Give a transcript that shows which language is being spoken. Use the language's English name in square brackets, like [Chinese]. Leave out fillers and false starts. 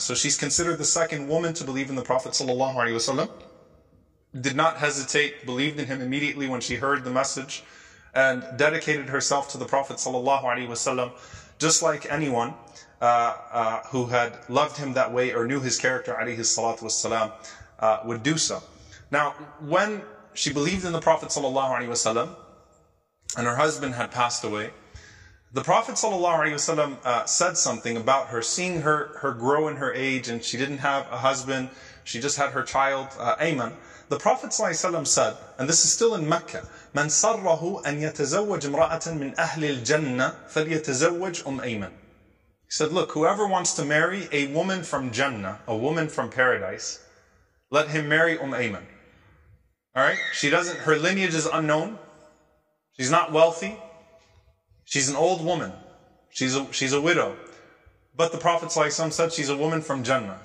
[English] So she's considered the second woman to believe in the Prophet ﷺ. Did not hesitate, believed in him immediately when she heard the message, and dedicated herself to the Prophet ﷺ, just like anyone who had loved him that way or knew his character, alayhi salatu wasalam, would do so. Now, when she believed in the Prophet ﷺ, and her husband had passed away, the Prophet said something about her, seeing her grow in her age, and she didn't have a husband, she just had her child, Ayman. The Prophet said, and this is still in Mecca, [Arabic] مَنْ صَرَّهُ أَنْ يَتَزَوَّجْ مْرَأَةً مِنْ أَهْلِ الْجَنَّةِ فَلْيَتَزَوَّجْ أَيْمَنْ. [English] He said, look, whoever wants to marry a woman from Jannah, a woman from paradise, let him marry Ayman. Alright? She doesn't, her lineage is unknown. She's not wealthy. She's an old woman. She's a widow. But the Prophet said she's a woman from Jannah.